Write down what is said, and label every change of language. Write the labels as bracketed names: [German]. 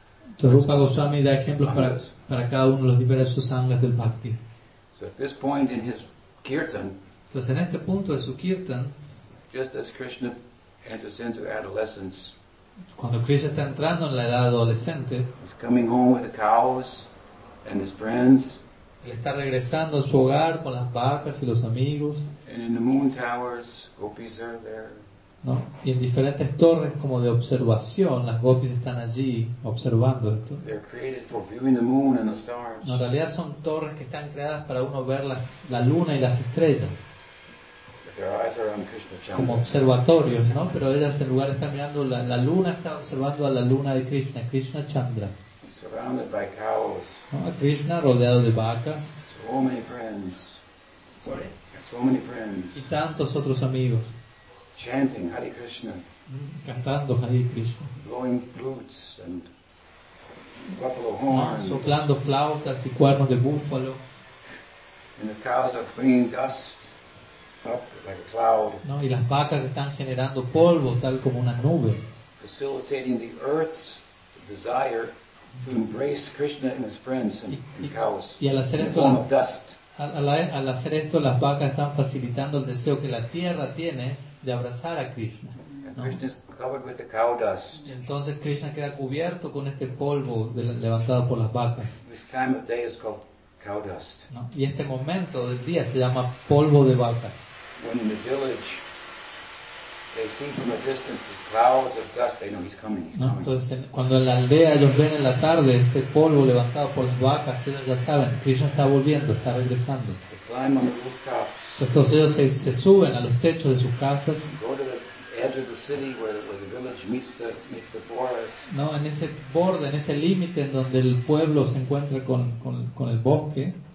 [Spanish] Entonces Rupa Goswami da ejemplos para cada uno de los diversos sanghas del Bhakti. [English] So at this point in his kirtan, [Spanish] entonces en este punto de su kirtan, [English] just as Krishna enters into adolescence, [Spanish] cuando Krishna está entrando en la edad adolescente, [English] he's coming home with the cows and his friends. [Spanish] Él está regresando a su hogar con las vacas y los amigos. [English] And in the moon towers, gopis are there. [Spanish] ¿No? Y en diferentes torres como de observación, las gopis están allí observando esto. [English] They're created for viewing the moon and the stars. [Spanish] No, en realidad son torres que están creadas para uno ver la luna y las estrellas. [English] Their eyes are on Krishna Chandra. [Spanish] Como observatorios, ¿no? Pero ellas en lugar están mirando la luna, está observando a la luna de Krishna, Krishna Chandra. [English] Surrounded by cows. [Spanish] ¿No? A Krishna rodeado de vacas. [English] So many friends. Sorry. So many friends. [Spanish] Y tantos otros amigos. [English] Chanting Hare Krishna. [Spanish] Cantando Hare Krishna. [English] Blowing flutes and buffalo horns. [Spanish] ¿No? Soplando flautas y cuernos de búfalo. [English] And the cows are bringing dust up like a cloud. [Spanish] ¿No? Y las vacas están generando polvo tal como una nube. [English] Facilitating the earth's desire to embrace Krishna and his friends and cows. [Spanish] Y al hacer esto, [English] in the form of dust. [Spanish] Al hacer esto, las vacas están facilitando el deseo que la tierra tiene de abrazar a Krishna. [English] And Krishna is covered with the cow dust. [Spanish] Y entonces Krishna queda cubierto con este polvo levantado por las vacas. [English] This time of day is called cow dust. [Spanish] ¿No? Y este momento del día se llama polvo de vacas. [English] When in the village, they see from a distance clouds of dust. They know he's coming. He's coming. [Spanish] Entonces, cuando en la aldea ellos ven en la tarde este polvo levantado por las vacas, ellos ya saben que Krishna está volviendo, está regresando. [English] They climb on the rooftops. [Spanish] Entonces ellos se suben a los techos de sus casas. [English] Go to the edge of the city where the village meets the forest. [Spanish] No, en ese borde, en ese límite, en donde el pueblo se encuentra con el bosque.